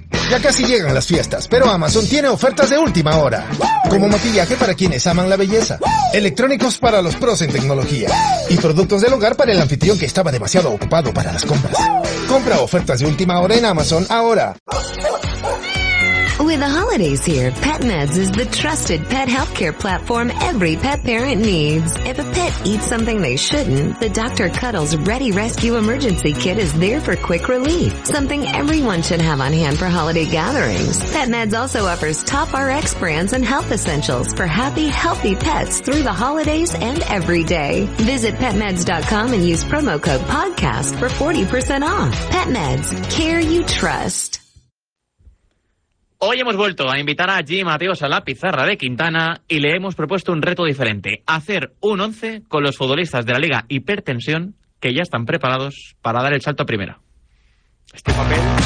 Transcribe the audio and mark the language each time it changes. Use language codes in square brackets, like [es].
[es] Ya casi llegan las fiestas, pero Amazon tiene ofertas de última hora. Como maquillaje para quienes aman la belleza, electrónicos para los pros en tecnología y productos del hogar para el anfitrión que estaba demasiado ocupado para las compras. Compra ofertas de última hora en Amazon ahora. [en] With the holidays here, PetMeds is the trusted pet healthcare platform every pet parent needs. If a pet eats something they shouldn't, the Dr. Cuddles Ready Rescue Emergency Kit is there for quick relief, something everyone should have on hand for holiday gatherings. PetMeds also offers top RX brands and health essentials for happy, healthy pets through the holidays and every day. Visit PetMeds.com and use promo code PODCAST for 40% off. PetMeds, care you trust. [es] Hoy hemos vuelto a invitar a Jim Mateos a la pizarra de Quintana y le hemos propuesto un reto diferente. Hacer un 11 con los futbolistas de la Liga Hipertensión que ya están preparados para dar el salto a primera. Este papel...